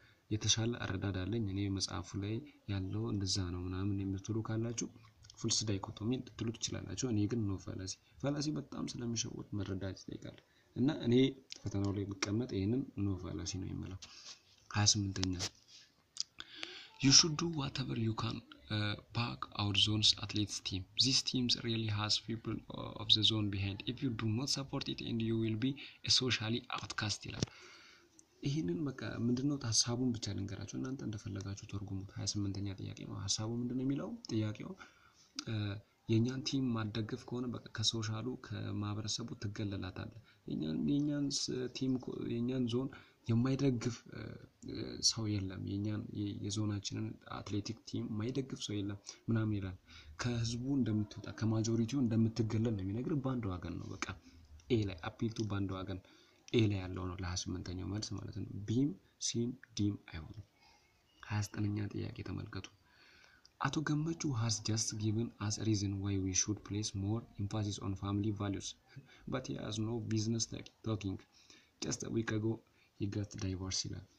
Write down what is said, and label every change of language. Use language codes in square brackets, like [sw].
[am] የተሻለ አረዳድ አለኝ እኔ መጽሐፉ ላይ ያለው እንደዛ ነው ምናምን የምትሉ ካላችሁ ፉልስ ዳይኮቶሚ ትሉት ይችላልናችሁ። እኔ ግን ኖ ፋላሲ። ፋላሲ በጣም ስለሚሸውት መረዳት ይጠይቃል። እና እኔ ፈተናው ላይ ብቀመጥ ይሄንን ኖ ፋላሲ ነው የምለው። 28ኛው [en] You should do whatever you can back our zone's athletes team. This team really has people of the zone behind. If you do not support it, and you will be a socially outcast. [am] ይሄንን በቃ ምንድነው ሐሳቡን ብቻ ልንገራችሁ እናንተ እንደፈለጋችሁ ተርጉሙት። 28ኛ ጥያቄ ነው። ሐሳቡ ምንድነው የሚለው ጥያቄው የኛን ቲም ማደገፍ ከሆነ በቃ ከሶሻሉ ከማህበረሰቡ ትገለላታለህ። የኛን ቲም የኛን ዞን የማይደግፍ ሰው የለም። የኛን የዞናችንን አትሌቲክ ቲም የማይደግፍ ሰው የለም ምናምን ይላል። ከህዝቡ እንደምትወጣ ከማጆሪቲው እንደምትገለል ነው የሚነግር። ባንድ ዋገን ነው በቃ ኤ ላይ አፒል ቱ ባንድ ዋገን ኤ ላይ ያለው ነው ለ28ኛው መልስ ማለት ነው። ቢም ሲም ዲም አይሆንም። 29ኛ ጥያቄ ተመልከቱ። አቶ ገመቹ [en] has just given us a reason why we should place more emphasis on family values, but he has no business talking. Just a week ago he got divorced.